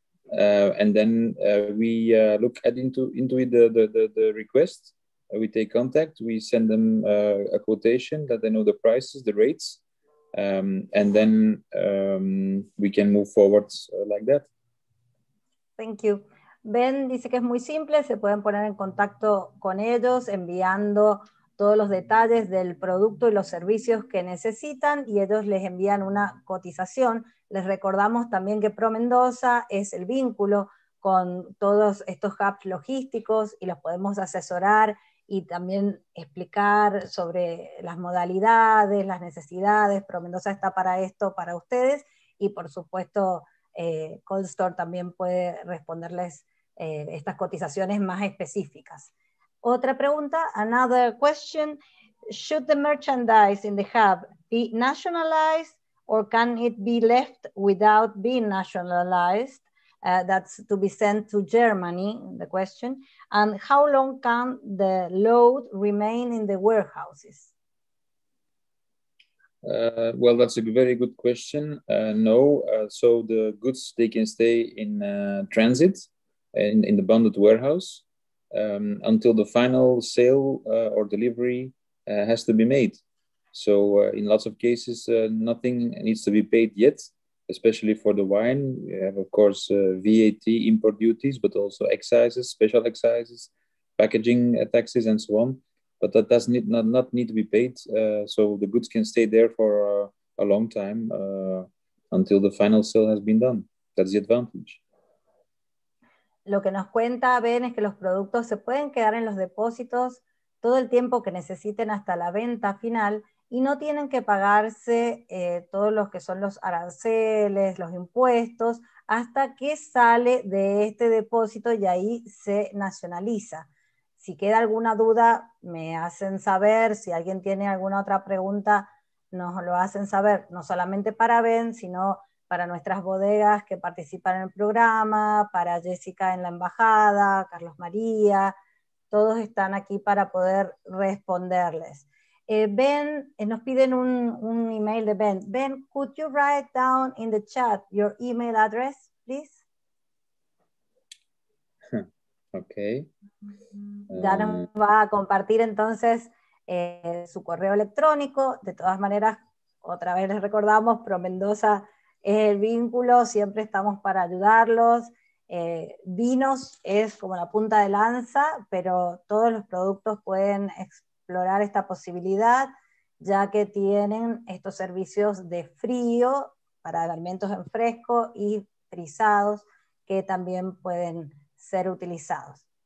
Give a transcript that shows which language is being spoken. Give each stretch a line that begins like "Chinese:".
English: And then we look at into the request. We take contact. We send them a quotation that they know the prices, the rates, and then we can move forward like that. Thank you.
Spanish: Ben dice que es muy simple. Se pueden poner en contacto con ellos enviando todos los detalles del producto y los servicios que necesitan y ellos les envían una cotización. Les recordamos también que Pro Mendoza es el vínculo con todos estos hubs logísticos y los podemos asesorar y también explicar sobre las modalidades, las necesidades. Pro Mendoza está para esto, para ustedes, y por supuesto Cold Store también puede responderles estas cotizaciones más específicas. Otra pregunta,
English: another question, should the merchandise in the hub be nationalized or can it be left without being nationalized? That's to be sent to Germany, the question. And how long can the load remain in the warehouses? Well, that's a very good question. No, so the goods, they can stay in transit in the bonded warehouse until the final sale or delivery has to be made. So in lots of cases, nothing needs to be paid yet, especially for the wine. We have, of course, VAT import duties, but also excises, special excises, packaging taxes, and so on. But that does not need to be paid. So the goods can stay there for a long time until the final sale has been done. That's the advantage.
Spanish: Lo que nos cuenta Ben es que los productos se pueden quedar en los depósitos todo el tiempo que necesiten hasta la venta final y no tienen que pagarse todos los que son los aranceles, los impuestos, hasta que sale de este depósito y ahí se nacionaliza. Si queda alguna duda, me hacen saber. Si alguien tiene alguna otra pregunta, nos lo hacen saber, no solamente para Ben, sino para nuestras bodegas que participan en el programa, para Jessica en la embajada, Carlos María, todos están aquí para poder responderles. Ben, nos piden un email de Ben.
English: Ben, could you write down in the chat your email address, please? Okay.
Spanish: Ya nos va a compartir entonces su correo electrónico. De todas maneras, otra vez les recordamos, Pro Mendoza es el vínculo, siempre estamos para ayudarlos. Vinos es como la punta de lanza, pero todos los productos pueden explorar esta posibilidad, ya que tienen estos servicios de frío para alimentos en fresco y frisados que también pueden ser utilizados.